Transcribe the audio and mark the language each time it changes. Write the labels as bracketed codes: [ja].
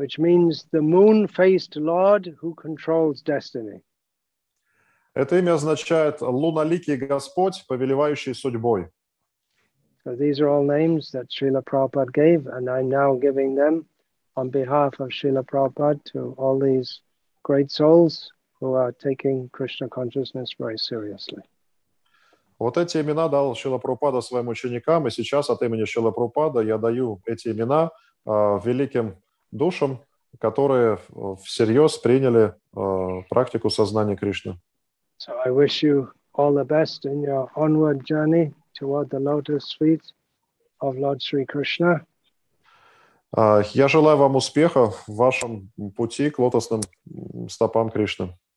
[en] which means the moon-faced Lord who controls destiny. [ru] Это имя означает луноликий Господь, повелевающий судьбой. [en] So these are all names that Srila Prabhupada gave, and I'm now giving them on behalf of Srila Prabhupada to all these great souls who are taking Krishna consciousness very seriously. [ru] Вот эти имена дал Шрила Прабхупада своим ученикам, и сейчас от имени Шрила Прабхупада я даю эти имена великим душам, которые всерьез приняли практику сознания Кришны. [en] So I wish you all the best in your onward journey toward the lotus feet of Lord Sri Krishna. [ru] Я желаю вам успеха в вашем пути к лотосным стопам Кришны.